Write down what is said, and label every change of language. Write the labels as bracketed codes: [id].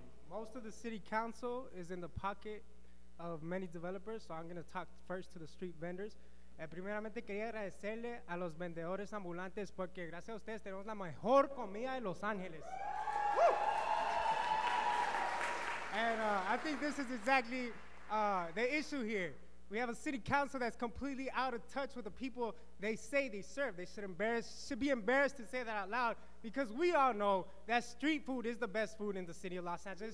[en] Most of the city council is in the pocket of many developers, so I'm going to talk first to the street vendors. [es] Primeramente quería agradecerle a los vendedores ambulantes porque gracias a ustedes tenemos la mejor comida de Los Ángeles. [en] And I think this is exactly the issue here. We have a city council that's completely out of touch with the people they say they serve. They should be embarrassed to say that out loud, because we all know that street food is the best food in the city of Los Angeles.